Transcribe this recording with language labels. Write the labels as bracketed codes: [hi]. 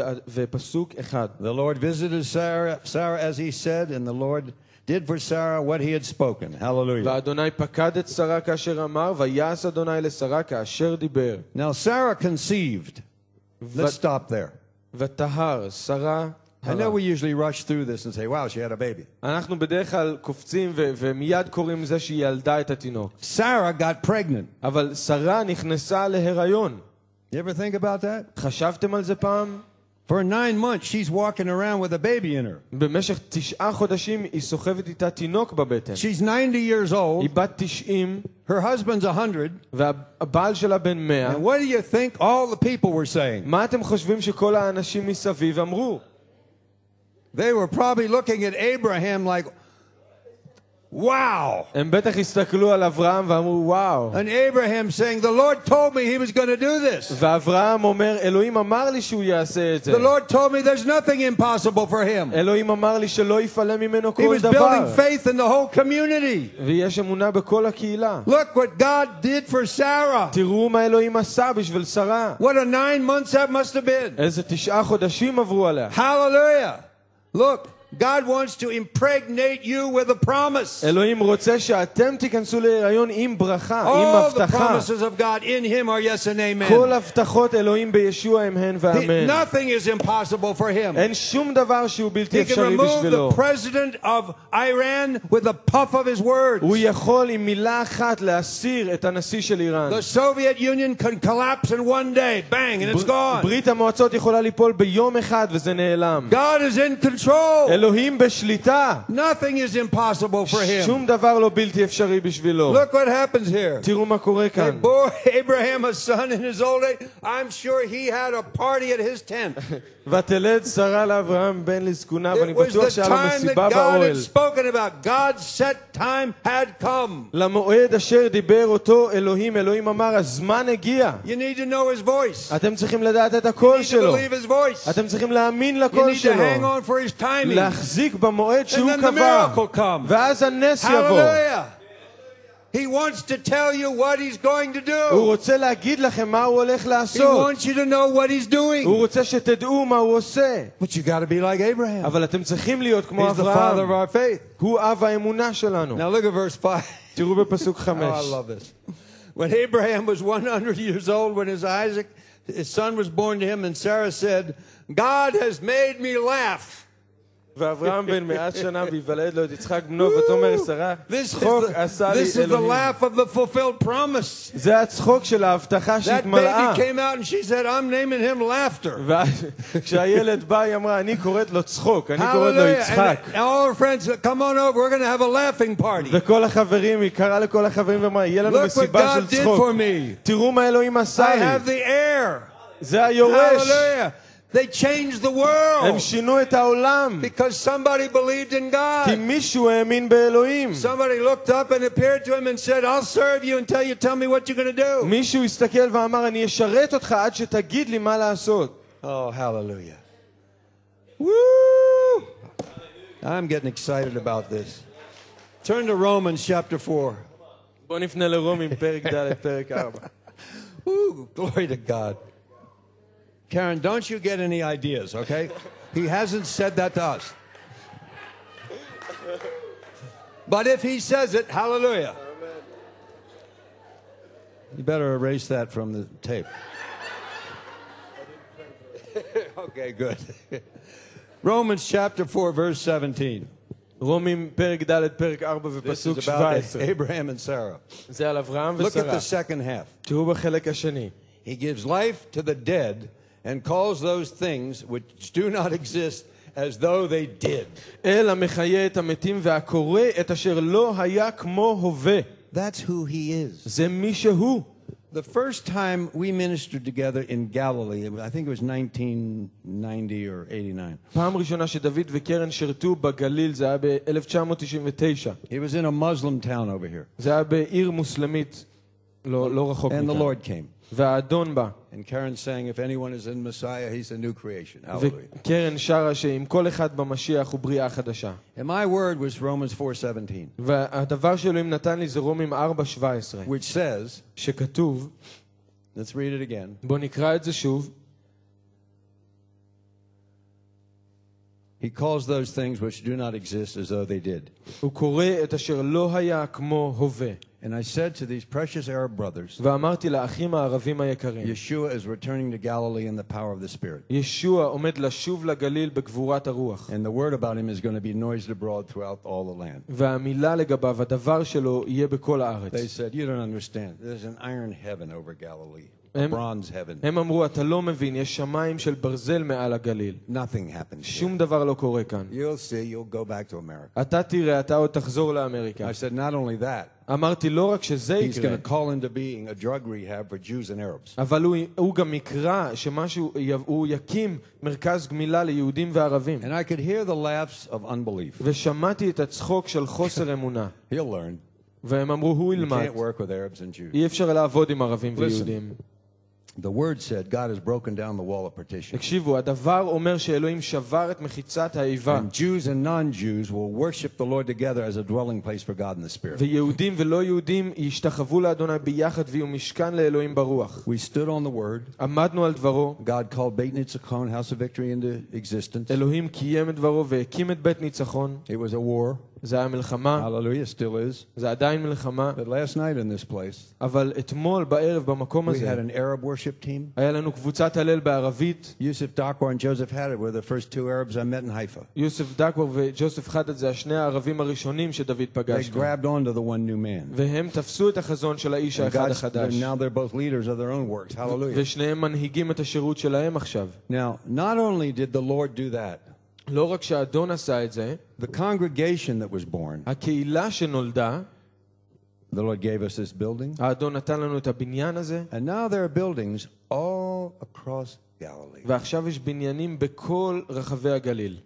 [en] Chapter 21, verse 1. The Lord visited Sarah as he said, and the Lord did for Sarah what he had spoken. Hallelujah. [he] ואדוני פקד את שרה כאשר אמר, ויעש אדוני לשרה כאשר דיבר. [en] Now Sarah conceived. Let's stop there. [he] ותהר שרה. [en] I know we usually rush through this and say, wow, she had a baby. [he] אנחנו בדרך כלל קופצים ומיד קוראים זה שהיא ילדה את התינוק. [en] Sarah got pregnant. [he] אבל שרה נכנסה להיריון. [en] You ever think about that? [he] חשבתם על זה פעם? [en] For 9 months, she's walking around with a baby in her. [he] במשך 9 חודשים היא סוחבת איתה תינוק בבטן. [en] She's 90 years old. [he] היא בת 90. [en] Her husband's 100. [he] והבעל שלה בן 100. [en] And what do you think all the people were saying? [he] מה אתם חושבים שכל האנשים מסביב אמרו? [en] They were probably looking at Abraham like, Wow! [he] הם בטח הסתכלו על אברהם ואמרו, וואו! [en] And Abraham saying, the Lord told me he was going to do this. [he] ואברהם אומר, אלוהים אמר לי שהוא יעשה את זה. [en] The Lord told me there's nothing impossible for him. [he] אלוהים אמר לי שלא יפלא ממנו כל דבר. [en] He was building faith in the whole community. [he] ויש אמונה בכל הקהילה. [en] Look what God did for Sarah. [he] תראו מה אלוהים עשה בשביל שרה. [en] What a 9 months that must have been. [he] איזה 9 חודשים עברו עליה. [en] Hallelujah! Look. God wants to impregnate you with a promise. [he] Elohim רוצה שאתם תיכנסו להיריון עם ברכה, עם הבטחה. [en] All the promises of God in him are yes and amen. [he] כל הבטחות אלוהים בישוע הם הן ואמן. [en] Nothing is impossible for him. [he] אין שום דבר שהוא בלתי אפשרי בשבילו. [en] He can remove the president of Iran with a puff of his words. [he] הוא יכול עם מילה אחת להסיר את הנשיא של איראן. [en] The Soviet Union can collapse in one day, bang, and it's gone. [he] ברית המועצות יכולה ליפול ביום אחד וזה נעלם. [en] God is in control. [he] אלוהים בשליטה. [en] Nothing is impossible for him. [he] שום דבר לא בלתי אפשרי בשבילו. [en] Look what happens here. [he] תראו מה קורה כאן. [en] Hey boy, Abraham, a son in his old age, I'm sure he had a party at his tent. [he] ותלד שרה לאברהם בן לזקונה, ואני בטוח שהיה לו מסיבה באוהל. [en] It was the time that God had spoken about. God's set time had come. [he] למועד אשר דיבר אותו אלוהים, אלוהים אמר, הזמן הגיע. [en] You need to know his voice. [he] אתם צריכים לדעת את הקול שלו. [en] You need to believe his voice. [he] אתם צריכים להאמין לקול שלו. [en] You need to hang on for his timing. [he] להחזיק במועד שהוא קבע. ואז הנס יבוא. [en] He wants to tell you what he's going to do. [he] הוא רוצה להגיד לכם מה הוא הולך לעשות. [en] He wants you to know what he's doing. [he] הוא רוצה שתדעו מה הוא עושה. [en] But you got to be like Abraham. [he] אבל אתם צריכים להיות כמו אברהם. [en] He's the father of our faith. [he] הוא אב האמונה שלנו. [en] Now look at verse 5. [he] תראו בפסוק 5. [en] Oh, I love this. When Abraham was 100 years old, when his Isaac, his son was born to him, and Sarah said, God has made me laugh. [he] ואברהם בן 100 שנה ויוולד לו את יצחק בנו ותאמר שרה צחוק עשה לי אלוהים. [en] This is the laugh of the fulfilled promise. [he] זה הצחוק של ההבטחה שהתמלאה. [en] That baby came out and she said, I'm naming him laughter. [he] כשהילד בא היא אמרה, אני קוראת לו צחוק, אני קוראת לו יצחק. [en] All our friends, come on over, we're going to have a laughing party. [he] וכל החברים, היא קראה לכל החברים ואמרה, יהיה לנו מסיבה של צחוק. [en] Look what God did for me. [he] תראו מה אלוהים עשה לי. [en] I have the heir. [he] זה היורש. [en] Hallelujah. They changed the world. [he] הם שינו את העולם. [en] Because somebody believed in God. [he] כי מישהו האמין באלוהים. [en] Somebody looked up and appeared to him and said, "I'll serve you until you tell me what you're going to do." [he] מישהו הסתכל ואמר, "אני אשרת אותך עד שתגיד לי מה לעשות." [en] Oh, hallelujah. Woo! I'm getting excited about this. Turn to Romans chapter 4. [he] בוא נפנה לרומים פרק ד' פרק 4. [en] Woo! Glory to God. Karen, don't you get any ideas, okay? He hasn't said that to us. But if he says it, hallelujah. Amen. You better erase that from the tape. Okay, good. Romans chapter 4, verse 17. [he] Romim perek dalet perek 4 ve pasuk 17. [en] This is about Abraham and Sarah. [he] Ze al Avraham ve [en] Sarah. Look at the second half. [he] Tu b'chelek ha'sheni. [en] He gives life to the dead and calls those things which do not exist as though they did. [he] אל המחיה את המתים והקורא את אשר לא היה כמו הווה. [en] That's who he is. [he] זה מי שהוא. [en] The first time we ministered together in Galilee, I think it was 1990 or 89. [he] פעם ראשונה שדוד וקרן שרתו בגליל זה היה ב-1999. [en] He was in a Muslim town over here. [he] זה היה בעיר מוסלמית לא רחוק מכאן. [en] And the Lord came. [he] והאדון בא. [en] And Karen saying, if anyone is in Messiah, he's a new creation. Hallelujah. [he] Karen שרה שאם כל אחד במשיח הוא בריאה חדשה. [en] And my word was Romans 4:17. [he] והדבר שאלוהים נתן לי זה רומים 4:17. [en] Which says, [he] שכתוב, [en] let's read it again. [he] בוא נקרא את זה שוב. [en] He calls those things which do not exist as though they did. [he] הוא קורא את אשר לא היה כמו הווה. [en] And I said to these precious Arab brothers, [he] ואמרתי לאחים הערבים היקרים, [en] Yeshua is returning to Galilee in the power of the Spirit. [he] ישועה עומד לשוב לגליל בגבורת הרוח. [en] And the word about him is going to be noised abroad throughout all the land. [he] והמילה לגביו, הדבר שלו יהיה בכל הארץ. [en] They said, you don't understand. There's an iron heaven over Galilee. הם, a bronze heaven. [he] הם אמרו, אתה לא מבין, יש שמיים של ברזל מעל הגליל. [en] Nothing happens. [he] שום דבר לא קורה כאן. [en] You'll see, you'll go back to America. [he] אתה תראה, אתה עוד תחזור לאמריקה. [en] I said, not only that. [he] אמרתי, לא רק שזה יקרה. [en] He's going to call into being a drug rehab for Jews and Arabs. [he] אבל הוא גם יקרא שמשהו, הוא יקים מרכז גמילה ליהודים וערבים. [en] And I could hear the laughs of unbelief. [he] ושמעתי את הצחוק של חוסר אמונה. [en] He'll learn. [he] והם אמרו, הוא ילמד. [en] You can't work with Arabs and Jews. [he] אי אפשר לעבוד עם ערבים ויהודים. [en] The word said God has broken down the wall of partition. [he] תקשיבו, הדבר אומר שאלוהים שבר את מחיצת האיבה. [en] And Jews and non-Jews will worship the Lord together as a dwelling place for God in the spirit. [he] ויהודים ולא יהודים ישתחוו לאדוני ביחד ויהיו משכן לאלוהים ברוח. [en] We stood on the word. [he] עמדנו על דברו. [en] God called Beit Nitzachon, House of Victory, into existence. [he] אלוהים קיים את דברו והקים את בית ניצחון. [en] It was a war. [he] זה היה מלחמה. [en] Hallelujah, still is. [he] זה עדיין מלחמה. [en] But last night in this place, [he] אבל אתמול בערב במקום הזה, [en] we had an Arab worship team. [he] היה לנו קבוצת הלל בערבית. [en] Yusuf Dakwar and Joseph Hadad were the first two Arabs I met in Haifa. [he] Yusuf Dakwar וJoseph Hadad זה השני הערבים הראשונים שדוד פגש. [en] They grabbed onto the one new man. [he] והם תפסו את החזון של האיש האחד החדש. [en] And now they're both leaders of their own works. Hallelujah. [he] ושניהם מנהיגים את השירות שלהם עכשיו. [en] Now, not only did the Lord do that, [he] לא רק שאדון עשה את זה, [en] the congregation that was born, [he] הקהילה שנולדה, [en] the Lord gave us this building, [he] האדון נתן לנו את הבניין הזה, [en] and now there are buildings all across Galilee, [he] ועכשיו יש בניינים בכל רחבי הגליל,